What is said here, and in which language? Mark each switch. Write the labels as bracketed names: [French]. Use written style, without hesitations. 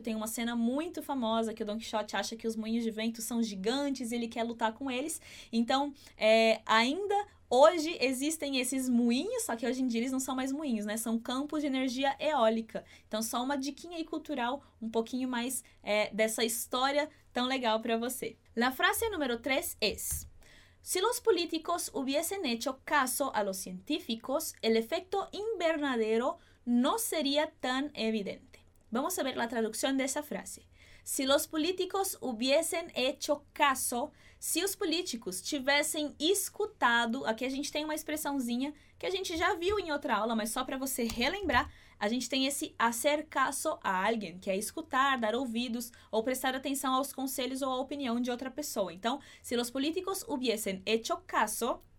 [Portuguese] Tem uma cena muito famosa que o Don Quixote acha que os moinhos de vento são gigantes e ele quer lutar com eles. Então, ainda hoje existem esses moinhos, só que hoje em dia eles não são mais moinhos, né? São campos de energia eólica. Então, só uma diquinha aí cultural, um pouquinho mais dessa história tão legal para você. [Spanish] La frase número 3 es... Si los políticos hubiesen hecho caso a los científicos, el efecto invernadero no sería tan evidente. Vamos a ver la traducción de esa frase. Si los políticos hubiesen hecho caso, [Portuguese] si os políticos tivessem escutado, aqui a gente tem uma expressãozinha que a gente já viu em outra aula, mas só para você relembrar, a gente tem esse [Spanish] hacer caso a alguien, [Portuguese] que é escutar, dar ouvidos ou prestar atenção aos conselhos ou à opinião de outra pessoa. Então, [Spanish] si los políticos hubiesen hecho caso